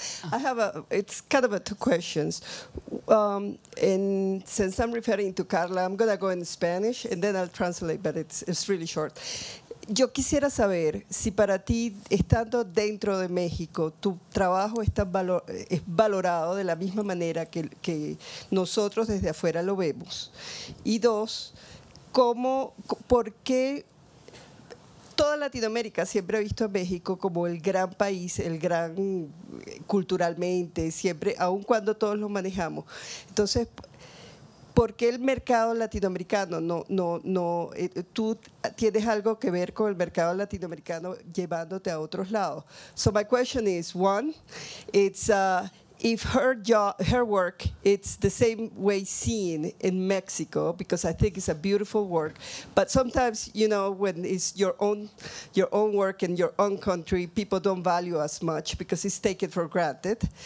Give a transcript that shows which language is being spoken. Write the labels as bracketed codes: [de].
[en] I have it's kind of a two questions. And since I'm referring to Carla, I'm going to go in Spanish, and then I'll translate, but it's really short. [es] Yo quisiera saber si para ti, estando dentro de México, tu trabajo es valorado de la misma manera que nosotros desde afuera lo vemos. Y dos, ¿por qué toda Latinoamérica siempre ha visto a México como el gran país, el gran culturalmente, siempre, aun cuando todos lo manejamos? Entonces, ¿por qué el mercado latinoamericano no, tú tienes algo que ver con el mercado latinoamericano llevándote a otros lados? [en] So my question is, one, it's if her job, her work, it's the same way seen in Mexico, because I think it's a beautiful work. But sometimes, you know, when it's your own work in your own country, people don't value as much because it's taken for granted.